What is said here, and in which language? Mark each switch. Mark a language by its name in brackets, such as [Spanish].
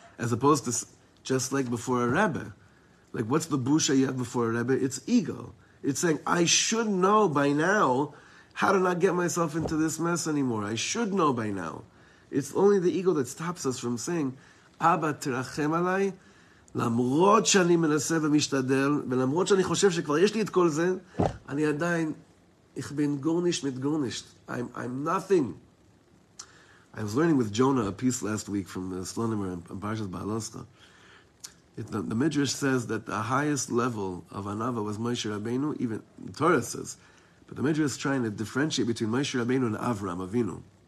[English] As opposed to just like before a rabbi. Like, what's the busha you have before a rabbi? It's ego. It's saying, I should know by now how to not get myself into this mess anymore. I should know by now. It's only the ego that stops us from saying, [Hebrew] Abba terachem alai. למרות שאני מנסה ומשתדל, ולמרות שאני חושב שכבר יש לי את כל זה, אני עדיין, [Yiddish] איך בין גורנישט מיט גורנישט. [English] I'm nothing. I was learning with Jonah a piece last week from the Shlomo and Parshas Baaloscha. The Midrash says that the highest level of Anava was Moshe Rabbeinu, even the Torah says. But the Midrash is trying to differentiate between Moshe Rabbeinu and Avram Avinu.